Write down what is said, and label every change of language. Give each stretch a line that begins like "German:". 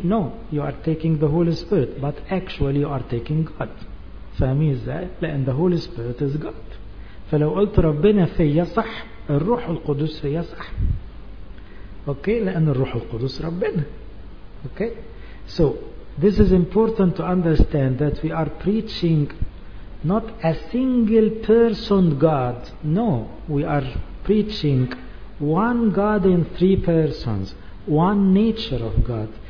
English: No, you are taking the Holy Spirit, but actually you are taking God.
Arabic: فاهمين ازاي؟ لأن
English: the Holy Spirit is God.
Arabic: فلو قلت ربنا فيا صح، الروح القدس فيا صح. اوكي، لأن الروح القدس ربنا.
English: Okay, so this is important to understand that we are preaching not a single person God. No, we are preaching one God in three persons, one nature of God.